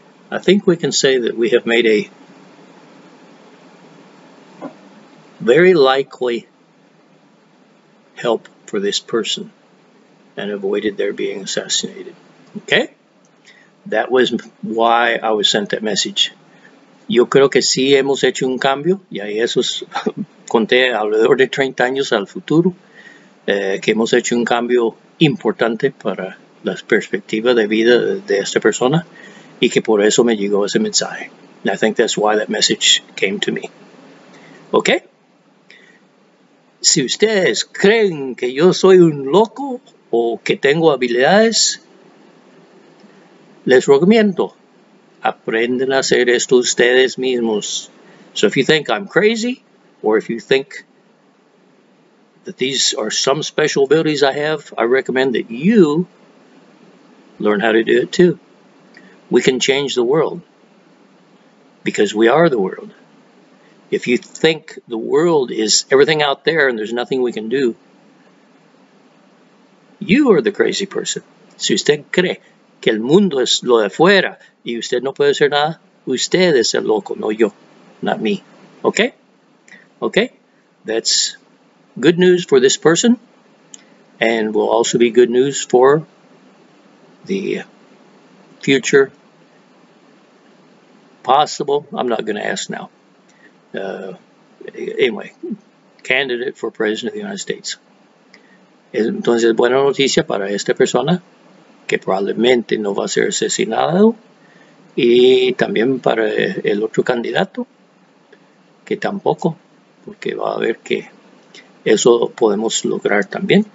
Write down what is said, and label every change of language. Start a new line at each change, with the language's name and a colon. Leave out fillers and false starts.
English: I think we can say that we have made a very likely help for this person and avoided their being assassinated. Okay? That was why I was sent that message.
Spanish: Yo creo que sí hemos hecho un cambio, y ahí eso es, conté alrededor de 30 años al futuro, que hemos hecho un cambio importante para la perspectiva de vida de esta persona, y que por eso me llegó ese mensaje.
English: And I think that's why that message came to me. ¿Ok?
Spanish: Si ustedes creen que yo soy un loco o que tengo habilidades, les recomiendo. Aprenden a hacer esto ustedes mismos.
English: So if you think I'm crazy, or if you think that these are some special abilities I have, I recommend that you learn how to do it too. We can change the world because we are the world. If you think the world is everything out there and there's nothing we can do, you are the crazy person.
Spanish: Si usted cree que el mundo es lo de fuera y usted no puede hacer nada, usted es el loco, no yo,
English: not me. Okay? Okay? That's good news for this person and will also be good news for the future possible. I'm not going to ask now. Anyway, candidate for president of the United States.
Spanish: Entonces, buena noticia para esta persona, que probablemente no va a ser asesinado, y también para el otro candidato, que tampoco, porque va a ver que eso podemos lograr también.